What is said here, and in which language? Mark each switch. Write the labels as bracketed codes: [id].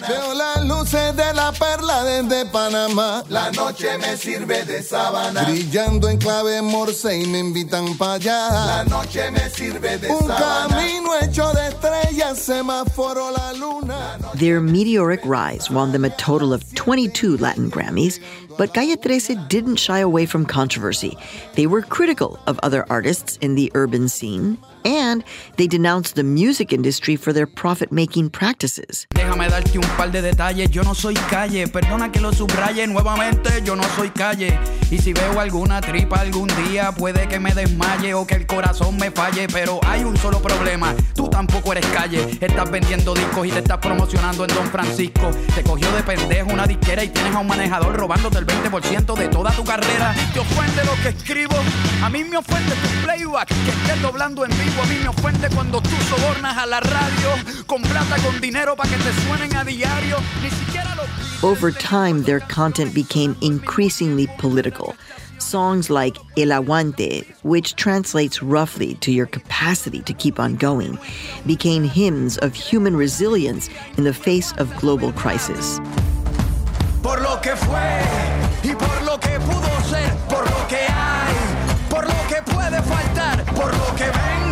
[es] Veo las luces de la perla desde Panamá. La noche me sirve de sábana. Brillando en clave morse y me invitan pa' allá. La noche me sirve de sábana. Un camino hecho de estrellas, semáforo la luna. [en] Their meteoric rise won them a total of 22 Latin Grammys, but Calle 13 didn't shy away from controversy. They were critical of other artists in the urban scene, and they denounced the music industry for their profit-making practices. [es] Déjame darte un par de detalles, yo no soy calle, perdona que lo subraye nuevamente, yo no soy calle. Y si veo alguna tripa algún día, puede que me desmaye o que el corazón me falle, pero hay un solo problema, tú tampoco eres calle. Estás vendiendo discos y te estás promocionando en Don Francisco. Te cogió de pendejo una disquera y tienes a un manejador robándote el 20% de toda tu carrera. Te ofende lo que escribo, a mí me ofende tu playback, que estés doblando en a mí me ofende cuando tú sobornas a la radio con plata, con dinero para que te suenen a diario, ni siquiera lo... [en] Over time, their content became increasingly political. Songs like El Aguante, which translates roughly to your capacity to keep on going, became hymns of human resilience in the face of global crisis. [es] Por lo que fue y por lo que pudo ser, por lo que hay, por lo que puede faltar, por lo que ve.